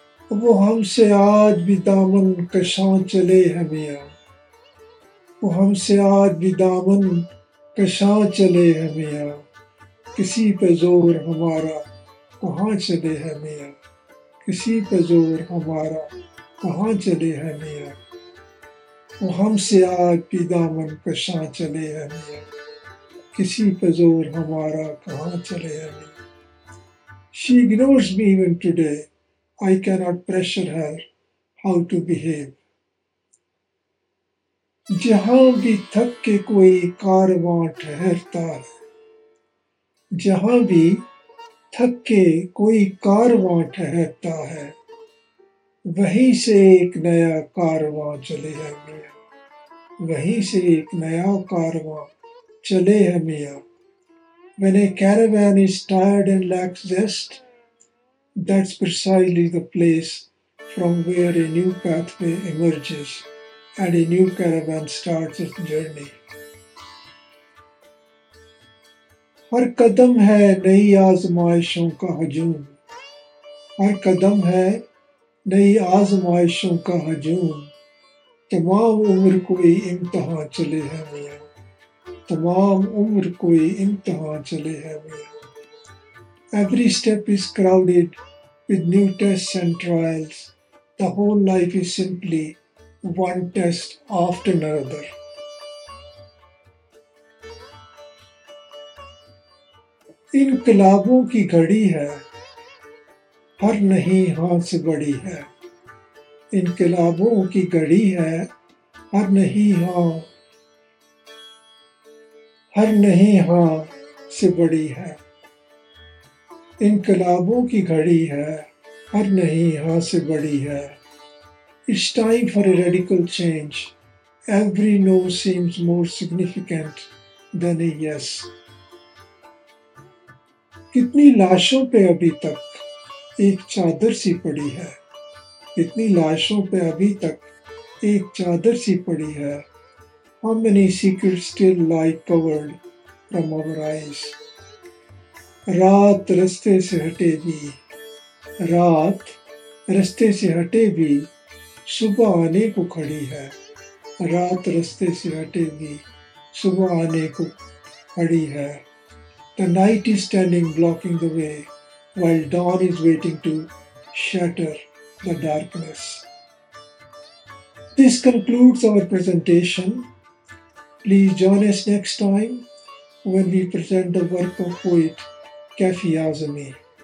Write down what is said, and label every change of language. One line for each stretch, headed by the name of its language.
Urdu: وہ ہم سے آج بھی دامن کشاں چلے ہیں میاں، وہ ہم سے آج بھی دامن کشاں چلے ہیں میاں، کسی پہ زور ہمارا کہاں چلے ہیں میاں، کسی پہ زور ہمارا کہاں چلے ہیں میاں، وہ ہم سے آج بھی دامن کشاں چلے ہیں میاں، کسی پہ زور ہمارا کہاں چلے ہیں میاں.
English: She ignores me even today. I cannot pressure her how to behave.
Urdu: جہاں بھی تھک کے کوئی کارواں ٹھہرتا ہے، جہاں بھی تھک کے کوئی کارواں ٹھہرتا ہے، وہیں سے ایک نیا کارواں چلے ہے میاں، وہیں سے ایک نیا کارواں چلے ہے میاں.
English: When a caravan is tired and lacks zest, that's precisely the place from where a new pathway emerges and a new caravan starts its journey.
Urdu: ہر قدم ہے نئی آزمائشوں کا ہجوم، ہر قدم ہے نئی آزمائشوں کا ہجوم، تمام عمر کوئی امتحان چلے ہے میاں، تمام عمر کوئی امتحان چلے ہے میاں.
English: Every step is crowded with new tests and trials. The whole life is simply one test after another.
Urdu: انقلابوں کی گھڑی ہے ہر نہیں ہاتھ سے بڑی ہے، انقلابوں کی گھڑی ہے ہر نہیں ہاں، ہر نہیں ہاں سے بڑی ہے، انقلابوں کی گھڑی ہے ہر نہیں ہاں سے بڑی ہے.
English: It's time for a radical change. Every no seems more significant than a yes.
Urdu: کتنی لاشوں پہ ابھی تک ایک چادر سی پڑی ہے، کتنی لاشوں پہ ابھی تک ایک چادر سی پڑی ہے.
English: How many secrets still lie covered from our eyes.
Urdu: رات رستے سے ہٹے بھی، رات رستے سے ہٹے بھی صبح آنے کو کھڑی ہے، رات رستے سے ہٹے بھی صبح آنے کو کھڑی ہے.
English: The night is standing blocking the way while dawn is waiting to shatter the darkness. This concludes our presentation. Please join us next time when we present the work of poet Kafi Azami.